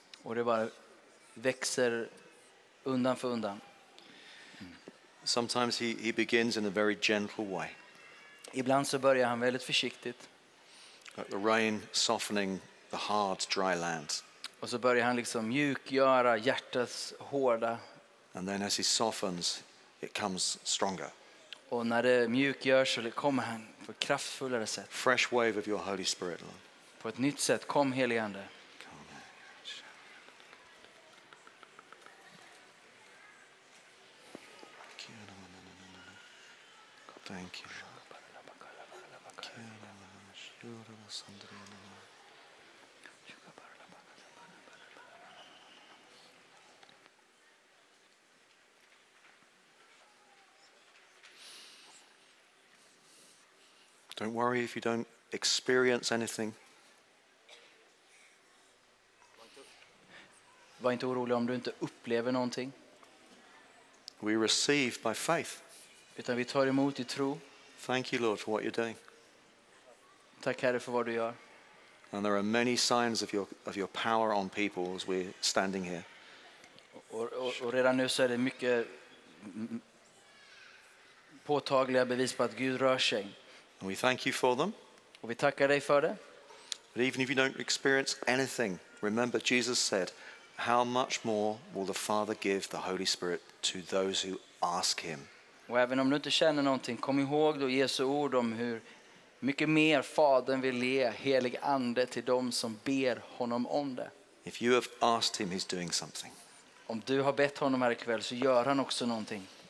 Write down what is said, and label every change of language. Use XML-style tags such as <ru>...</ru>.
<sv>Och det bara växer undan för undan.</sv> <en>Sometimes he begins in a very gentle way.</en> <sv>Ibland så börjar han väldigt försiktigt.</sv> <en>Like the rain softening the hard dry land.</en> <sv>Och så börjar han liksom mjukgöra hjärtats hårda.</sv> <en>And then as he softens, it comes stronger.</en> <sv>Och när det mjukgörs så kommer han på ett kraftfullare sätt.</sv> <en>Fresh wave of your Holy Spirit, Lord.</en> <sv>På ett nytt sätt, kom helige ande.</sv> <en>Thank you. Don't worry if you don't experience anything.</en> <sv>Var inte orolig om du inte upplever någonting.</sv> <en>We receive by faith.</en> <sv>Utan vi tar emot I tro.</sv> <en>Thank you, Lord, for what you're doing.</en> <sv>Tack Herre för vad du gör.</sv> <en>And there are many signs of your power on people as we're standing here.</en> <sv>Och redan nu så är det mycket påtagliga bevis på att Gud rör sig.</sv> <en>And we thank you for them.</en> <sv>Och vi tackar dig för det.</sv> <en>But even if you don't experience anything, remember Jesus said, how much more will the Father give the Holy Spirit to those who ask him?</en> <sv>Och även om du inte känner någonting, kom ihåg då Jesu ord om hur mycket mer Fadern vill ge helig ande till dem som ber honom om det.</sv> <en>If you have asked him, he's doing something.</en> <sv>Om du har bett honom här ikväll, så gör han också någonting.</sv>